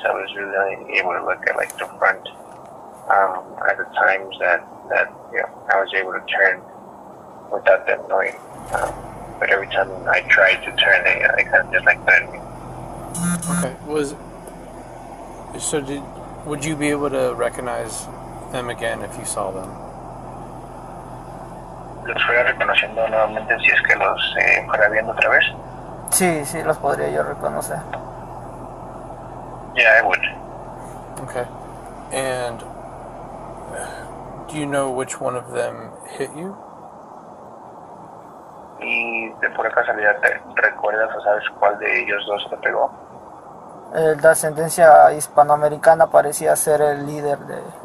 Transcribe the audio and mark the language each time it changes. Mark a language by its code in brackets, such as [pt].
[en] I was really able to look at like the front at the times that I was able to turn without them knowing. But every time I tried to turn, they kind of just like bent me. Okay. Would you be able to recognize them again if you saw them? [es] ¿Los fuera reconociendo nuevamente si es que los fuera viendo otra vez? Sí, los podría yo reconocer. [en] Yeah, I would. Okay. And do you know which one of them hit you? [es] ¿Y de pura casualidad te recuerdas o sabes cuál de ellos dos te pegó? La ascendencia hispanoamericana parecía ser el líder de...